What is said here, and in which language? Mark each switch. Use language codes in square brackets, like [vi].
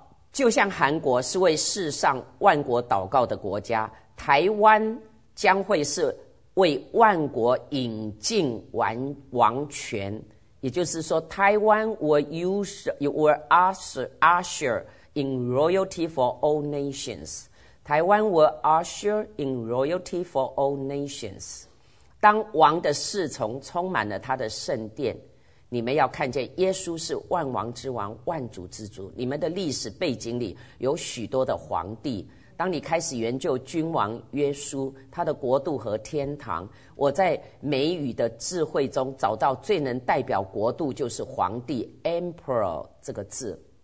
[zh] 就像韩国是为世上万国祷告的国家，台湾将会是为万国引进王权，也就是说 [en] Taiwan will usher in royalty for all nations. Taiwan will usher in royalty for all nations. [zh] 当王的侍从充满了他的圣殿，你们要看见耶稣是万王之王，万主之主。你们的历史背景里有许多的皇帝，当你开始研究君王耶稣，他的国度和天堂，我在美语的智慧中找到最能代表国度就是皇帝 Emperor 这个字。